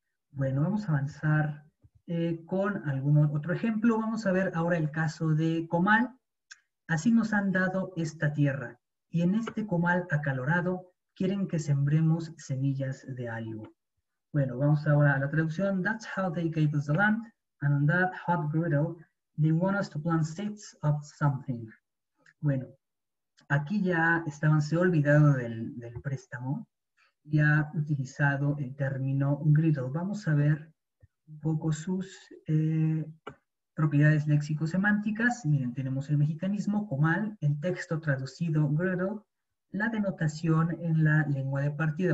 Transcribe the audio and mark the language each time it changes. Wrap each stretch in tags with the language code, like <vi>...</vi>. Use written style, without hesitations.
<es>Bueno, vamos a avanzar con algún otro ejemplo. Vamos a ver ahora el caso de Comal. Así nos han dado esta tierra, y en este comal acalorado quieren que sembremos semillas de algo. Bueno, vamos ahora a la traducción.</es> <en>That's how they gave us the land, and on that hot griddle, they want us to plant seeds of something.</en> <es>Bueno, aquí ya se ha olvidado del préstamo y ha utilizado el término griddle. Vamos a ver un poco sus propiedades léxico-semánticas. Miren, tenemos el mexicanismo, comal, el texto traducido, griddle, la denotación en la lengua de partida.</es>